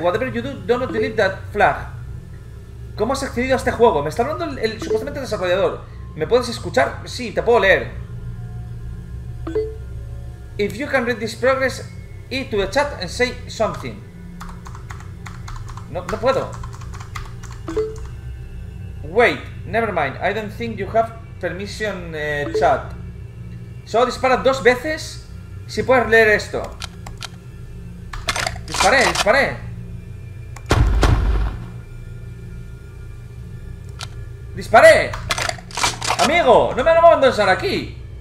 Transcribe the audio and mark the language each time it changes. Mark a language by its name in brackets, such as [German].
[English] Whatever you do, don't delete that flag. [Spanish] ¿Cómo has accedido a este juego? Me está hablando el supuestamente desarrollador. ¿Me puedes escuchar? Sí, te puedo leer. [English] If you can read this progress, eat to the chat and say something. [Spanish] No, no puedo. [English] Wait, never mind. I don't think you have permission chat. [Spanish] Solo dispara dos veces si puedes leer esto. Disparé, disparé. ¡Disparé! ¡Amigo! ¡No me lo voy a abandonar aquí!